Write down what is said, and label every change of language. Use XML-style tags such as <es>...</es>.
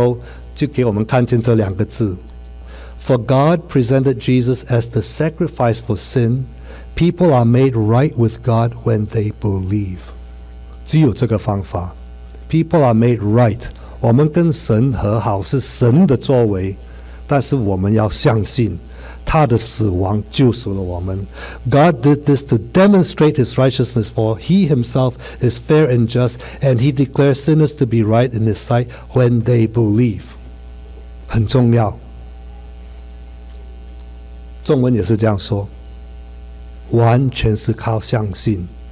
<zh>罗马书结束的时候就给我们看见这两个字。</zh> <en>For God presented Jesus as the sacrifice for sin, people are made right with God when they believe.</en> <zh>只有这个方法。</zh> <en>People are made right.</en> <zh>我们跟神和好是神的作为, 但是我们要相信他的死亡救赎了我们。</zh> <en>God did this to demonstrate his righteousness, for he himself is fair and just, and he declares sinners to be right in his sight when they believe.</en> <zh>很重要。中文也是这样说, 完全是靠相信。</zh>